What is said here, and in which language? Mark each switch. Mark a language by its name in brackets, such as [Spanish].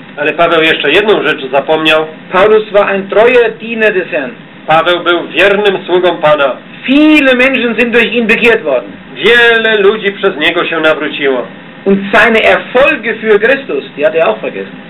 [Polish] Ale Paweł jeszcze jedną rzecz zapomniał. [German] Paulus war ein treuer Diener des Herrn. [Polish] Paweł był wiernym sługą Pana. [German] Viele Menschen sind durch ihn bekehrt worden. [Polish] Wiele ludzi przez niego się nawróciło. [German] Und seine Erfolge für Christus, die hat er auch vergessen.